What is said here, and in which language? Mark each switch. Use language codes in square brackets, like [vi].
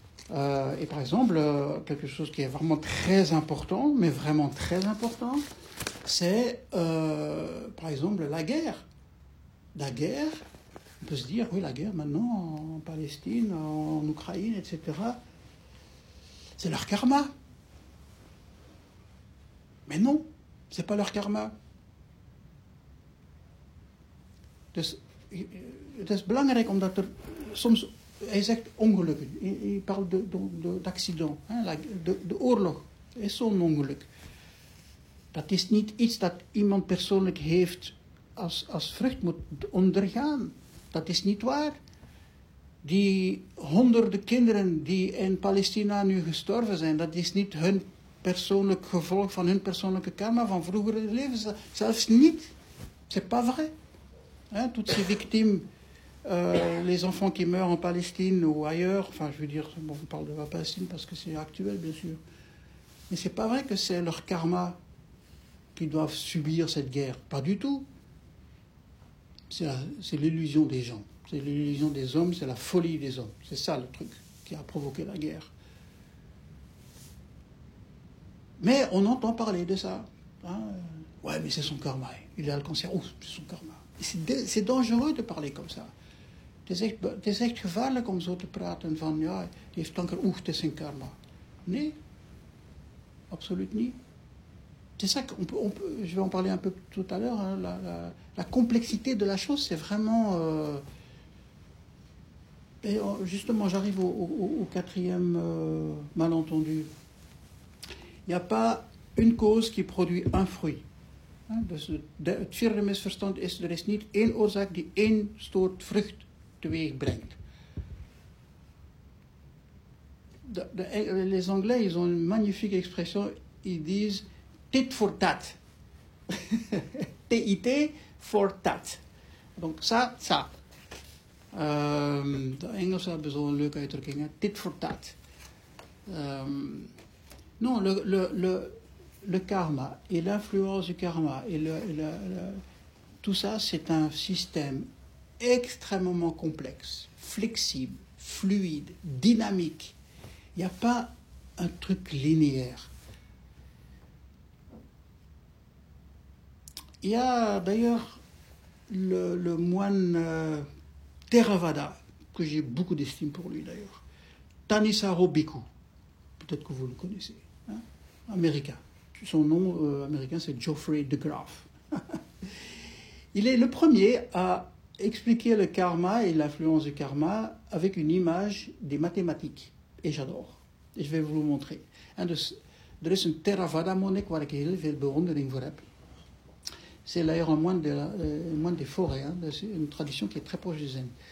[fr] Et par exemple, quelque chose qui est vraiment très important, mais vraiment très important, c'est par exemple la guerre. La guerre, on peut se dire, oui, la guerre maintenant en Palestine, en Ukraine, etc., c'est leur karma. Mais non, c'est pas leur karma. [nl] Dus het is belangrijk omdat er soms, hij zegt ongelukken, hij [fr] parle d'accident, [nl] hein, like de oorlog is zo'n ongeluk. Dat is niet iets dat iemand persoonlijk heeft als vrucht moet ondergaan. Dat is niet waar. Die honderden kinderen die in Palestina nu gestorven zijn, dat is niet hun persoonlijk gevolg van hun persoonlijke karma van vroegere levens. Zelfs niet. [fr] C'est pas vrai. Hein, toutes ces victimes, les enfants qui meurent en Palestine ou ailleurs, enfin, je veux dire, bon, on parle de la Palestine parce que c'est actuel, bien sûr. Mais c'est pas vrai que c'est leur karma qui doivent subir cette guerre. Pas du tout. C'est l'illusion des gens. C'est l'illusion des hommes, c'est la folie des hommes. C'est ça le truc qui a provoqué la guerre. Mais on entend parler de ça. Hein. Ouais, mais c'est son karma. Il a le cancer. Ouh, c'est son karma. C'est dangereux de parler comme ça. [nl] C'est echt gevaarlijk om zo te praten van, ja, il heeft kanker. [fr] Ouh, c'est son karma. [nl] Nee, absoluut niet. [fr] C'est ça qu'on peut, je vais en parler un peu tout à l'heure, hein, la complexité de la chose, c'est vraiment... Et justement, j'arrive au quatrième malentendu. Il n'y a pas une cause qui produit un fruit. Le [nl] vierde misverstand [fr] est qu'il n'y a pas une cause qui une [nl] soort vrucht teweeg brengt. [fr] Les Anglais, ils ont une magnifique expression, ils disent... [en] Tit for tat. T-I-T for tat. Donc ça, ça. [nl] De Engelsen hebben zo'n leuke uitdrukking. [en] Hein? Tit for tat. [fr] Non, le karma et l'influence du karma et le tout ça, c'est un système extrêmement complexe, flexible, fluide, dynamique. Il n'y a pas un truc linéaire. Il y a d'ailleurs le moine Theravada, que j'ai beaucoup d'estime pour lui d'ailleurs, Thanissaro Bhikkhu, peut-être que vous le connaissez, hein, américain. Son nom américain, c'est Geoffrey de Graaf. Il est le premier à expliquer le karma et l'influence du karma avec une image des mathématiques. Et j'adore. Et je vais vous le montrer. [nl] Er is een Theravada monnik waar ik heel veel bewondering voor heb. [fr] C'est d'ailleurs un moine des forêts, hein, c'est une tradition qui est très proche du Zen.